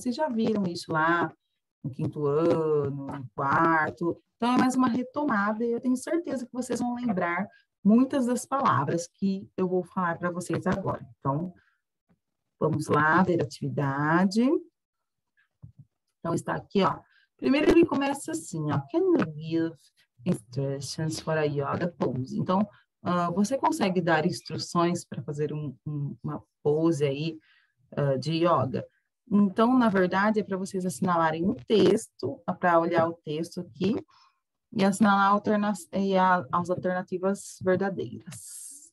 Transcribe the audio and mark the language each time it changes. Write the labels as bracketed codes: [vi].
[pt] Vocês já viram isso lá no quinto ano, no quarto. Então, é mais uma retomada e eu tenho certeza que vocês vão lembrar muitas das palavras que eu vou falar para vocês agora. Então, vamos lá ver a atividade. Então, está aqui, ó. Primeiro ele começa assim, ó. [en] Can you give instructions for a yoga pose? [pt] Então, você consegue dar instruções para fazer uma pose aí de yoga? Então, na verdade, é para vocês assinalarem um texto, para olhar o texto aqui, e assinalar as alternativas verdadeiras.